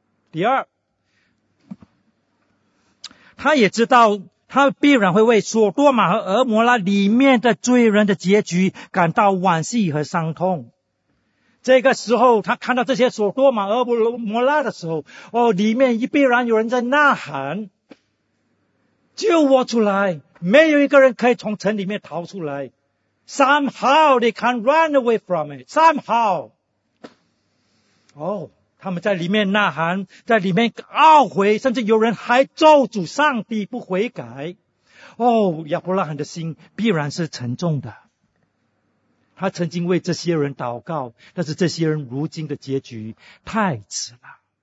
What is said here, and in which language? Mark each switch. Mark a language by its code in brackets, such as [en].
[zh] 第二，他也知道他必然会为索多玛和俄摩拉里面的罪人的结局感到惋惜和伤痛。这个时候他看到这些索多玛、俄摩拉的时候，哦，里面必然有人在呐喊，救我出来，没有一个人可以从城里面逃出来。 [en] Somehow they can't run away from it. Somehow. [zh] 哦，他们在里面呐喊，在里面懊悔，甚至有人还咒诅上帝不悔改。哦，亚伯拉罕的心必然是沉重的。他曾经为这些人祷告，但是这些人如今的结局太迟了。